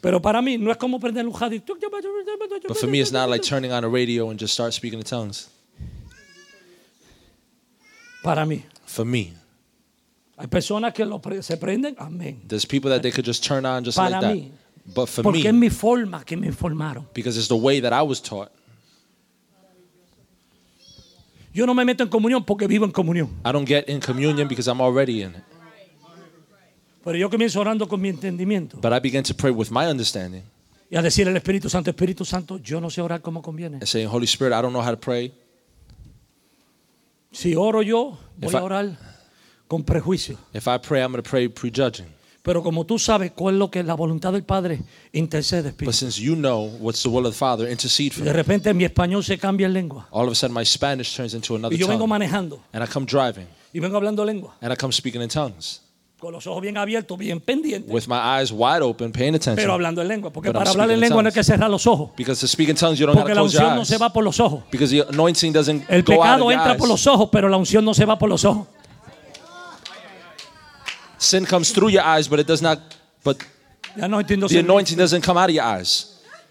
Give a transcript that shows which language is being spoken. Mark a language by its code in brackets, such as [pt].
[es] Pero para mí no es como prender un jadito. [en] But for me, it's not like turning on a radio and just start speaking in tongues. [es] Para mí. [en] For me. [es] Hay personas que lo se prenden, amén. [en] There's people that they could just turn on just [es] para [en] like [es] mí. [en] That. But for [es] porque mi forma que me informaron. [en] Because it's the way that I was taught. [es] Yo no me meto en comunión porque vivo en comunión. [en] I don't get in communion because I'm already in it. [es] Pero yo comienzo orando con mi entendimiento. [en] But I began to pray with my understanding. [es] Y a decir al Espíritu Santo, yo no sé orar como conviene. [en] And saying, Holy Spirit, I don't know how to pray. [es] Si oro yo, voy a orar con prejuicio. [en] If I pray, I'm going to pray prejudging. [es] Pero como tú sabes cuál es lo que la voluntad del Padre intercede, Espíritu. [en] But since you know what's the will of the Father, intercede for me. [es] De repente mi español se cambia en lengua. [en] All of a sudden my Spanish turns into another tongue. [es] Y yo vengo manejando. [en] And I come driving. [es] Y vengo hablando lengua. [en] And I come speaking in tongues. [es] Con los ojos bien abiertos, bien pendientes. [en] With my eyes wide open, paying attention. [es] Pero hablando en lengua, porque para hablar en lengua no hay que cerrar los ojos. [en] Because to speak in tongues you don't have to close your eyes. [es] Porque la unción no se va por los ojos. [en] Because the anointing doesn't go out of your eyes. [es] El pecado entra por los ojos, pero la unción no se va por los ojos. [en] Sin comes through your eyes, but it does not. But the anointing doesn't come out of your eyes.